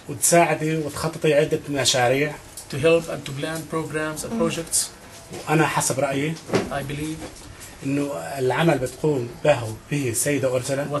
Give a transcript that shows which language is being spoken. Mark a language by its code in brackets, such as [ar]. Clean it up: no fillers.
[ar] وتساعدي وتخططي عدة مشاريع. [en] To help and to plan programs and projects. [ar] وأنا حسب رأيي. [en] I believe. [ar] إنه العمل بتقوم به وبه سيدة أرسلة.